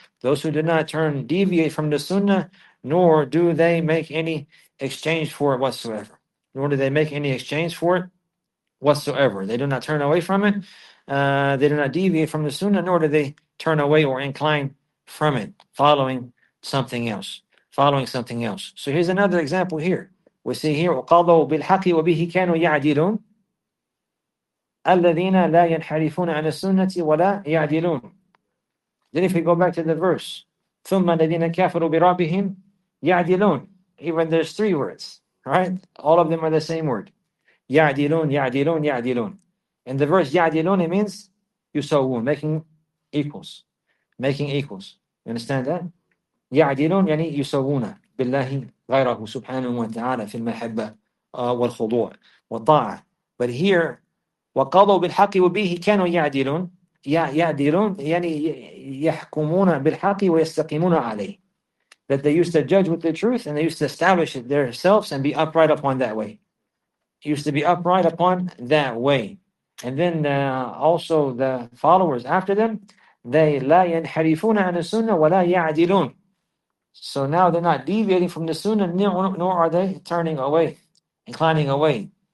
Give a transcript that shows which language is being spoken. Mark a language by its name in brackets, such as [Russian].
[English] Those who do not turn, deviate from the sunnah, nor do they make any exchange for it whatsoever. Nor do they make any exchange for it whatsoever. They do not turn away from it. They do not deviate from the sunnah, nor do they turn away or incline from it, following something else. So here's another example here. We see here, [Arabic] وَقَضَوْا بِالْحَقِّ وَبِهِ كَانُوا يَعْدِلُونَ أَلَّذِينَ لَا يَنْحَرِفُونَ عَنِ السُّنَّةِ وَلَا يَعْدِلُونَ. [English] Then if we go back to the verse, [Arabic] ثُمَّ الَّذِينَ كَفَرُوا بِرَبِّهِمْ يَعْدِلُونَ, [English] even there's three words, right? All of them are the same word. [Arabic] يَعْدِلُونَ يَعْدِلُونَ يَعْدِلُونَ. [English] In the verse, يَعْدِلُونَ, it means يُسَوُّونَ, making equals. Making equals. You understand that? [Arabic] يَعْدِلُونَ يعني يُسَوُّونَ بِاللَّهِ غَيْرَهُ سُبْحَانَهُ وَتَعَالَى فِي الْمَحَبَّةِ وَالْخُضُوعِ وَالطَّاعَةِ. [English] But here, [Arabic] وَقَضُوا بِالْحَقِّ وَبِهِ كَانُوا يَعْدِلُونَ. يعدلون يعني يحكمون بالحق ويستقيمون عليه. [English] That they used to judge with the truth and they used to establish it themselves and be upright upon that way. Used to be upright upon that way. And then also the followers after them, they [Arabic] لا ينحرفون عن السنة ولا يعدلون. [English] So now they're not deviating from the sunnah, nor are they turning away, inclining away.